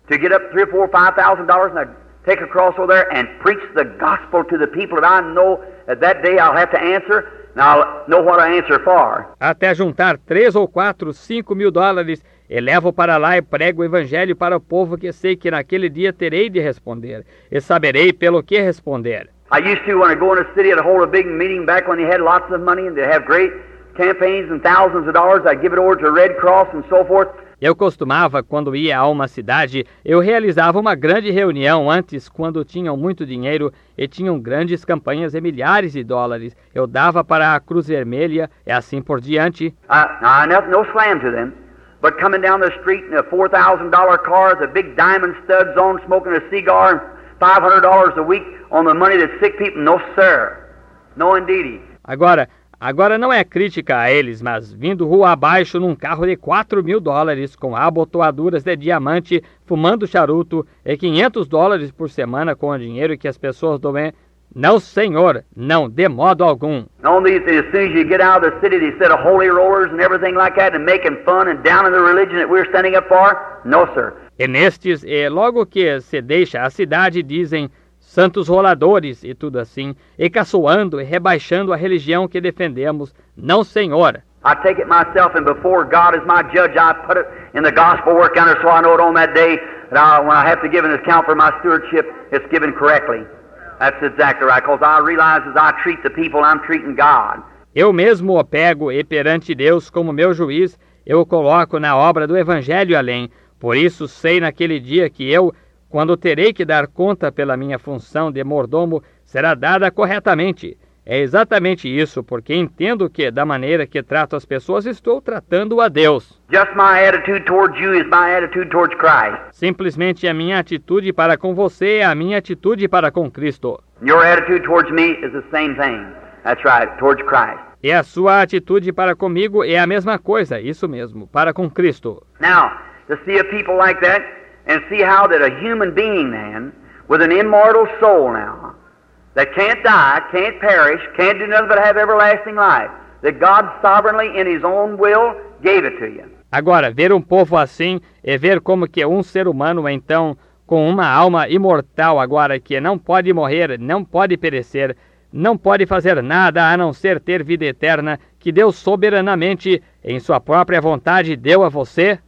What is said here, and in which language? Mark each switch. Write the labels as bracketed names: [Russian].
[English] To get up $3,000 or $5,000 and I take a cross over there and preach the gospel to the people that I know that day I'll have to answer, and I'll know what I answer for. [Portuguese] Até juntar $3,000 or $4,000 or $5,000 e levo para lá e prego o evangelho para o povo que sei que naquele dia terei de responder e saberei pelo que responder. [English] I used to, when I go in a city, I'd hold a big meeting back when they had lots of money and they have great campaigns and thousands of dollars, I'd give it over to Red Cross and so forth. [Portuguese] Eu costumava, quando ia a uma cidade, eu realizava uma grande reunião antes, quando tinham muito dinheiro e tinham grandes campanhas e milhares de dólares. Eu dava para a Cruz Vermelha e assim por diante. [English] No slam to them, but coming down the street in a $4,000 car, the big diamond studs on, smoking a cigar, $500 a week on the money that sick people, no sir, no indeed. [Portuguese] Agora não é crítica a eles, mas vindo rua abaixo num carro de $4,000 com abotoaduras de diamante, fumando charuto e $500 por semana com o dinheiro que as pessoas doem. Não, senhor, não, de modo algum. [English] As soon as you get out of the city, they set a holy rollers and everything like that and making fun and down in the religion that we're standing up for. No, sir. [Portuguese] E nestes, e logo que se deixa a cidade, dizem santos roladores e tudo assim, e caçoando e rebaixando a religião que defendemos, não, senhor. [English] I take it myself, and before God is my judge, I put it in the gospel work counter so I know it on that day that when I have to give an account for my stewardship, it's given correctly. That's exactly right, because I realize as I treat the people, I'm treating God. [Portuguese] Eu mesmo o pego, e perante Deus como meu juiz, eu o coloco na obra do evangelho além. Por isso sei naquele dia que eu, quando terei que dar conta pela minha função de mordomo, será dada corretamente. É exatamente isso, porque entendo que, da maneira que trato as pessoas, estou tratando a Deus. [English] Just my attitude towards you is my attitude towards Christ. [Portuguese] Simplesmente a minha atitude para com você é a minha atitude para com Cristo. [English] Your attitude towards me is the same thing. That's right, towards Christ. [Portuguese] E a sua atitude para comigo é a mesma coisa, isso mesmo, para com Cristo. [English] Now, to see a people like that, and see how that a human being then, with an immortal soul now, that can't die, can't perish, can't do nothing but have everlasting life, that God sovereignly in his own will gave it to you. [Portuguese] Agora, ver um povo assim é ver como que um ser humano então, com uma alma imortal agora, que não pode morrer, não pode perecer, não pode fazer nada a não ser ter vida eterna, que Deus soberanamente, em sua própria vontade, deu a você.